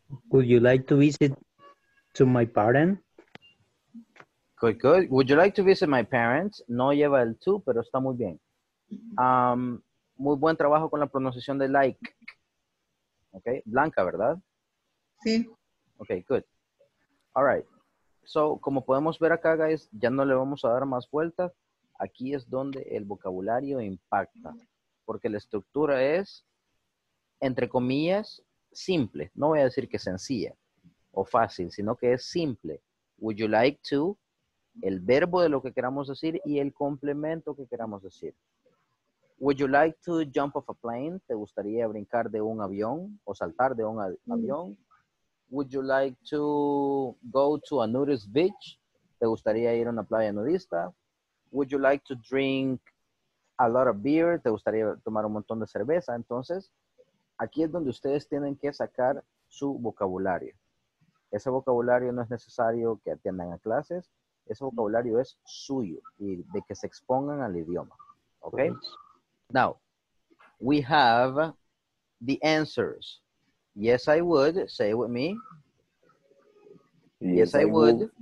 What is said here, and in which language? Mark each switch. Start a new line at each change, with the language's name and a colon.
English: Would you like to visit to my parents? Good, good. Would you like to visit my parents?
Spanish: No lleva el to, pero está muy bien. Muy buen trabajo con la pronunciación de like. Okay, Blanca, ¿verdad? Sí.
English: Okay, good. All right.
Spanish: So, como podemos ver acá, guys, ya no le vamos a dar más vueltas. Aquí es donde el vocabulario impacta. Porque la estructura es, entre comillas, simple. No voy a decir que sencilla o fácil, sino que es simple.
English: Would you like to?
Spanish: El verbo de lo que queramos decir y el complemento que queramos decir.
English: Would you like to jump off a plane?
Spanish: ¿Te gustaría brincar de un avión o saltar de un avión?
English: Would you like to go to a nudist beach?
Spanish: ¿Te gustaría ir a una playa nudista?
English: Would you like to drink a lot of beer?
Spanish: ¿Te gustaría tomar un montón de cerveza? Entonces, aquí es donde ustedes tienen que sacar su vocabulario. Ese vocabulario no es necesario que atiendan a clases. Ese vocabulario es suyo y de que se expongan al idioma.
English: Okay? Now, we have the answers. Yes, I would. Say it with me. Yes, I would.